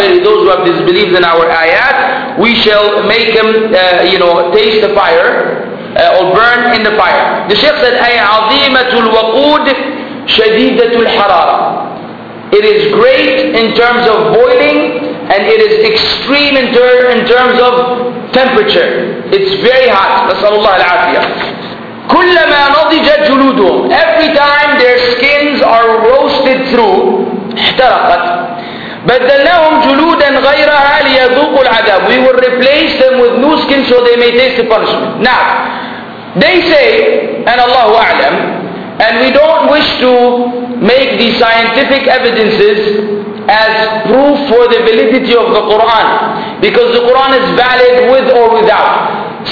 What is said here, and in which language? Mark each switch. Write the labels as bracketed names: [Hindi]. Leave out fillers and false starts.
[English] Verily those who have disbelieved in our ayat, we shall make them taste the fire or burn in the fire. The Shaykh said [Arabic] أي عظيمة الوقود شديدة الحرارة. It is great in terms of boiling and it is extreme in terms of temperature. [English] It's very hot. [Arabic] نسأل الله العافية. كلما نضجت جلودهم. [English] Every time their skins are roasted through, [Arabic] احترقت. بدلناهم جلودا غيرها ليذوقوا العذاب. [English] We will replace them with new skin so they may taste the punishment. Now, they say, and Allah أعلم, and we don't wish to make the scientific evidences as proof for the validity of the Quran, because the Quran is valid with or without.